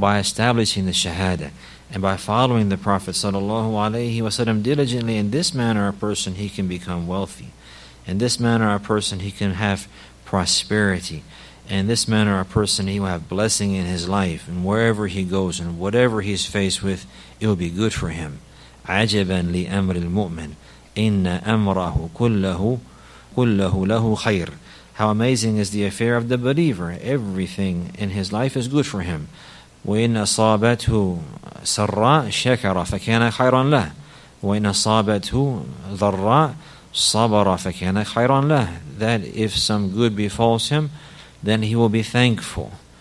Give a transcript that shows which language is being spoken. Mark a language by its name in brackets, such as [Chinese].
[English] By establishing the shahada and by following the Prophet sallallahu alayhi wa sallam diligently, in this manner a person, he can become wealthy. In this manner a person, he can have prosperity. In this manner a person, he will have blessing in his life, and wherever he goes and whatever he's faced with, it will be good for him. [Arabic] عجباً لأمر المؤمن إن أمره كله كُلَّهُ لَهُ خَيْرٌ. [English] How amazing is the affair of the believer. Everything in his life is good for him. [Arabic] وَإِنْ أَصَابَتْهُ سَرَّا شَكَرَ فَكَانَ خَيْرًا لَهُ وَإِنْ أَصَابَتْهُ ضَرَّا صَبَرَ فَكَانَ خَيْرًا لَهُ. [English] That if some good befalls him, then he will be thankful.